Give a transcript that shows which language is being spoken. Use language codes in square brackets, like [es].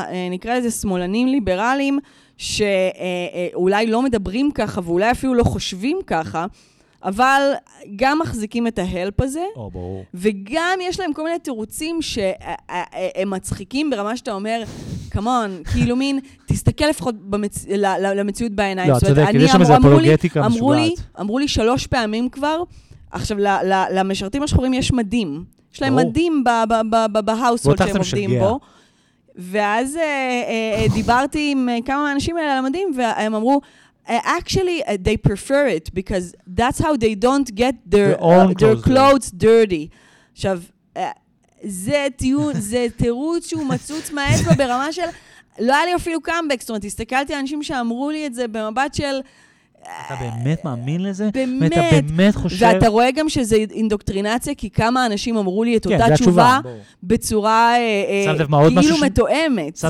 [he] נקרא לזה, שמאלנים ליברליים, שאולי לא מדברים ככה, ואולי אפילו לא חושבים ככה, אבל גם מחזיקים את ההלפ הזה, וגם יש להם כל מיני תירוצים שהם מצחיקים ברמה שאתה אומר, כמון, כאילו מין, תסתכל לפחות למציאות בעיניים. לא, צודק, כי יש שם איזו אפולוגטיקה משוגעת. אמרו לי 3 פעמים כבר, עכשיו, למשרתים השחורים יש מדים. יש להם מדים בהאוסהולד שהם עובדים בו. ואז דיברתי עם כמה מהאנשים האלה על המדים, והם אמרו, [en] Actually, they prefer it because that's how they don't get their clothes dirty. [he] עכשיו, זה טיעון, זה תירוץ שהוא מצוץ מהאצבע ברמה של... לא היה לי אפילו קאמבק, זאת אומרת, הסתכלתי על אנשים שאמרו לי את זה במבט של... אתה באמת מאמין לזה? באמת. אתה באמת חושב... ואתה רואה גם שזה אינדוקטרינציה, כי כמה אנשים אמרו לי את אותה תשובה בצורה כאילו מתואמת.